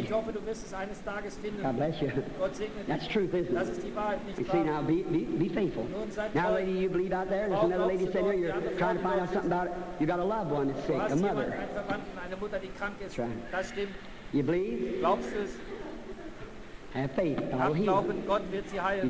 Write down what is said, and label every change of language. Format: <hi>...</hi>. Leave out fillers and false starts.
<de>Ich hoffe, du wirst es eines Tages finden.</de> <en>God bless you.</en> <de>Gott segne dich.</de> <en>That's truth, isn't it?</en> <de>Das ist die Wahrheit, nicht</de> <en>you see, now be faithful. Now, lady, you believe out there. There's another lady sitting here. You're trying to find out something about it. You got a loved one that's sick, a mother.</en> <de>Eine Mutter, die krank ist.</de> <en>That's right.</en> <de>Das stimmt.</de> <en>You believe?</en> <de>Glaubst du es?</de> <en>Have faith. God will heal.</en> <de>Glauben, Gott wird sie heilen.</de>